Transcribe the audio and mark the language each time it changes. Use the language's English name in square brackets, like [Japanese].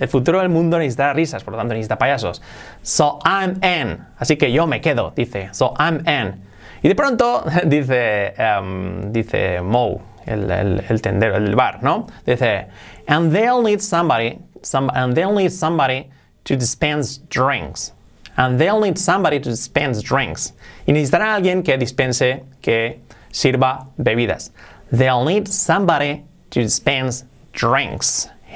[Spanish] El futuro del mundo necesitará risas, por lo tanto necesita payasos. [English] So I'm in. [Spanish] Así que yo me quedo, dice. [English] So I'm in. [Spanish] Y de pronto dice, dice Moe, el tendero, el bar, ¿no? Dice, [English] and they'll need somebody to dispense drinks. [Spanish] Y necesitará alguien que dispense, que sirva bebidas. [English] They'll need somebody to dispense drinks.